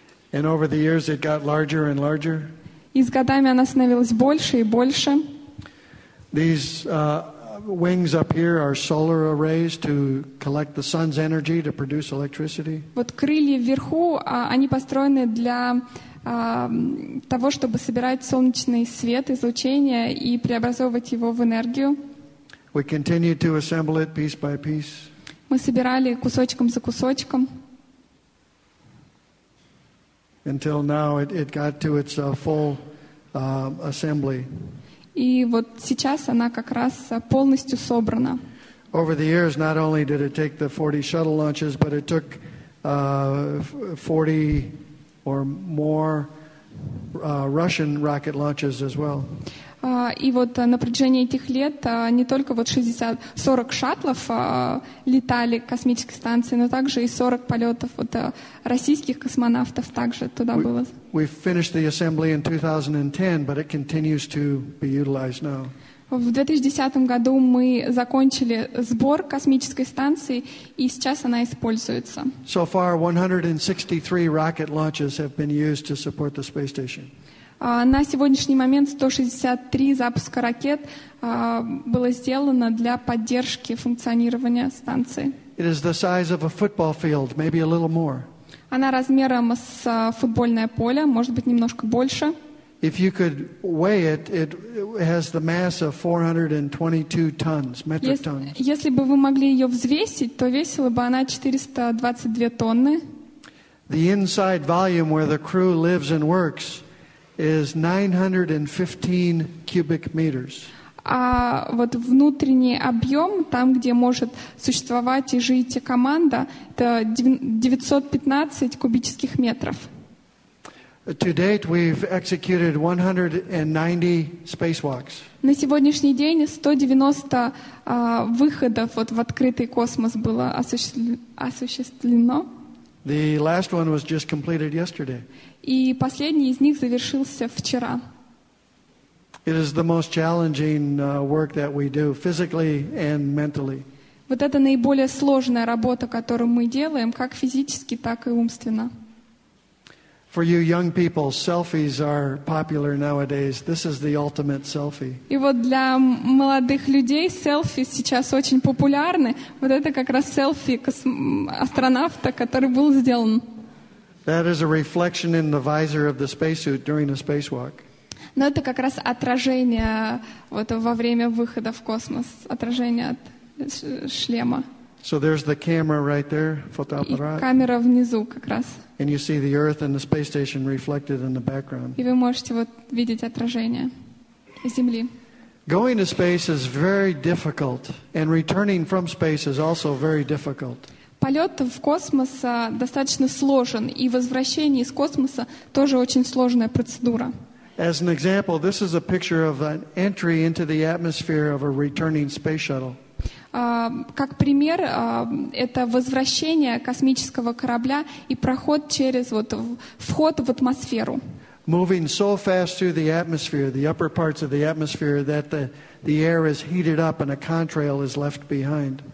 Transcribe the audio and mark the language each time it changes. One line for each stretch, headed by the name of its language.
English: And over the years it got larger and larger.
Russian: И с годами она становилась больше и больше.
English: These wings up here are solar arrays to collect the sun's energy to produce electricity.
Russian: Вот крылья вверху, они построены для того, чтобы собирать солнечный свет, излучение и преобразовывать его в энергию.
English: We continue to assemble it piece by piece.
Russian: Мы собирали кусочком за кусочком.
English: Until now it got to its full assembly.
Russian: И вот сейчас она как раз полностью собрана.
English: Over the years, not only did it take the 40 shuttle launches, but it took 40 or more Russian rocket launches as well.
Russian: И вот на протяжении этих лет не только вот 40 шаттлов летали к космической станции, но также и 40 полетов вот российских космонавтов также туда было.
English: We finished the assembly in 2010, but it continues to be utilized now.
Russian: В 2010 году мы закончили сбор космической станции, и сейчас она используется.
English: So far, 163 rocket launches have been used to support the space station.
Russian: На сегодняшний момент 163 запуска ракет было сделано для поддержки функционирования станции.
English: It is the size of a football field, maybe a little more.
Russian: Она размером с футбольное поле, может быть, немножко больше.
English: If you could weigh it, it has the mass of 422 tons, metric tons.
Russian: Если бы вы могли ее взвесить, то весила бы она 422 тонны.
English: The inside volume where the crew lives and works is 915 cubic meters.
Russian: А вот внутренний объем, там, где может существовать и жить команда, это 915 кубических метров.
English: To date, we've executed 190 spacewalks.
Russian: На сегодняшний день 190 выходов вот в открытый космос было осуществлено.
English: The last one was just completed yesterday.
Russian: И последний из них завершился вчера.
English: It is the most challenging work that we do, physically and mentally.
Russian: Вот это наиболее сложная работа, которую мы делаем, как физически, так и умственно.
English: For you young people, selfies are popular nowadays. This is the ultimate selfie.
Russian: И вот для молодых людей селфи сейчас очень популярны. Вот это как раз селфи астронавта, который был сделан.
English: That is a reflection in the visor of the spacesuit during a spacewalk.
Russian: Но это как раз отражение вот во время выхода в космос, отражение от шлема.
English: So there's the camera right there, фотоаппарат.
Russian: И камера внизу как раз.
English: And you see the Earth and the space station reflected in the background.
Russian: И вы можете вот видеть отражение Земли.
English: Going to space is very difficult, and returning from space is also very difficult.
Russian: Полет в космос достаточно сложен, и возвращение из космоса тоже очень сложная процедура.
English: As an example, this is a picture of an entry into the atmosphere of a returning space shuttle.
Russian: Как пример, это возвращение космического корабля и проход через вот вход в атмосферу.
English: Moving so fast through the atmosphere, the upper parts of the atmosphere, that the air is heated up and a contrail is left behind.